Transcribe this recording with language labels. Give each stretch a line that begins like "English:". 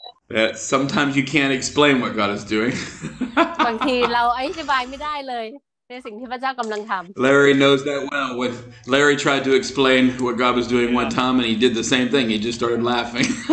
English: That sometimes you can't explain what God is doing.
Thai: บางทีเราอธิบายไม่ได้เลยในสิ่งที่พระเจ้ากำลังทำ
English: Larry knows that well. When Larry tried to explain what God was doing one time, and he did the same thing, he just started laughing.